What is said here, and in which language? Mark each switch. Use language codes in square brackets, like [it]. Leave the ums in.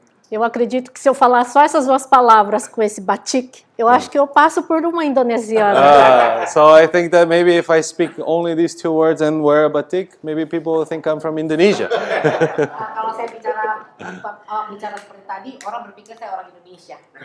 [pt] Eu acredito que se eu falar só essas duas palavras com esse batik, eu acho que eu passo por uma indonesiana. Ah, [en] so I think that maybe if I speak only these two words and wear a batik, maybe people will think I'm from Indonesia. [id] Kalau saya uh, bicara bicara seperti tadi, orang berpikir saya orang Indonesia.